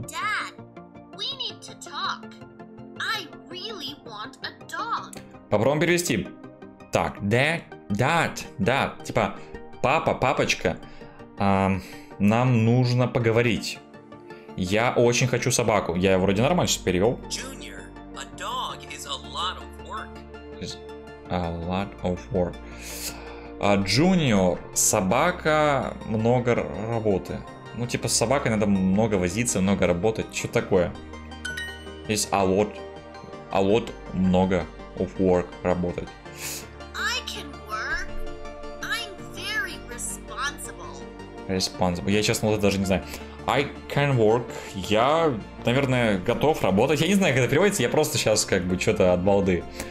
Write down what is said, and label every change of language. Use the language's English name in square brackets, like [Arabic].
[English] Dad, we need to talk. I really want a dog. [Russian] Попробуем перевести. Так, dad. Типа, папочка, нам нужно поговорить. Я очень хочу собаку. Я вроде нормально сейчас перевел. [English] Junior, a dog is a lot of work. A lot of work. [Russian] Junior, собака, много работы. Ну, типа, с собакой надо много возиться, много работать. Что такое? [English] Is a lot, много of work работать. I can work. I'm very responsible. [Russian] Responsible. Я, честно, вот это даже не знаю. [English] I can work. [Russian] Я, наверное, готов работать. Я не знаю, как это переводится. Я просто сейчас, как бы, что-то от балды.